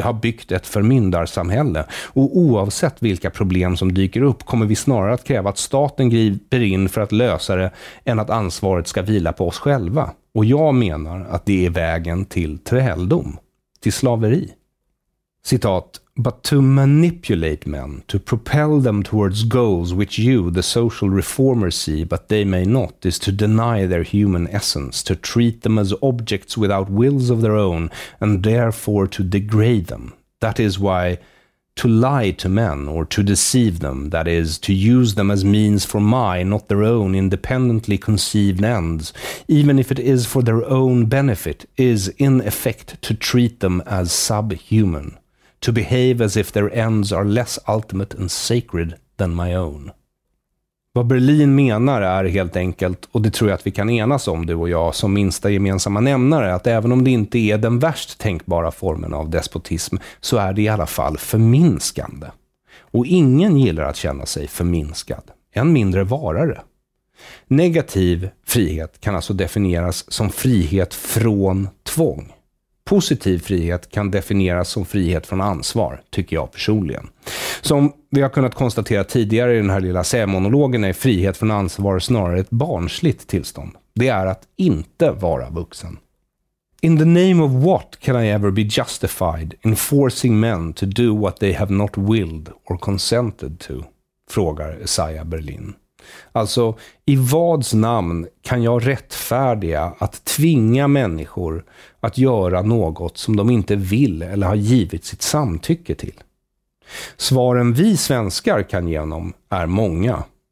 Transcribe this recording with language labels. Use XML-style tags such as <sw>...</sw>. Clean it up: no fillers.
<sv>Vi har byggt ett förmyndarsamhälle och oavsett vilka problem som dyker upp kommer vi snarare att kräva att staten griper in för att lösa det än att ansvaret ska vila på oss själva. Och jag menar att det är vägen till träldom, till slaveri.</sv> <en>Citat: But to manipulate men, to propel them towards goals which you, the social reformers, see but they may not, is to deny their human essence, to treat them as objects without wills of their own, and therefore to degrade them. That is why to lie to men, or to deceive them, that is, to use them as means for my, not their own, independently conceived ends, even if it is for their own benefit, is in effect to treat them as subhuman. To behave as if their ends are less ultimate and sacred than my own.</en> <sv>Vad Berlin menar är helt enkelt, och det tror jag att vi kan enas om, du och jag, som minsta gemensamma nämnare, att även om det inte är den värst tänkbara formen av despotism, så är det i alla fall förminskande. Och ingen gillar att känna sig förminskad, än mindre varare. Negativ frihet kan alltså definieras som frihet från tvång. Positiv frihet kan definieras som frihet från ansvar, tycker jag personligen. Som vi har kunnat konstatera tidigare i den här lilla sämonologen är frihet från ansvar snarare ett barnsligt tillstånd. Det är att inte vara vuxen.</sv> <en>In the name of what can I ever be justified in forcing men to do what they have not willed or consented to?</en> <sv>frågar Saja Berlin. Alltså, i vads namn kan jag rättfärdiga att tvinga människor att göra något som de inte vill eller har givit sitt samtycke till? Svaren vi svenskar kan genom är många.</sv>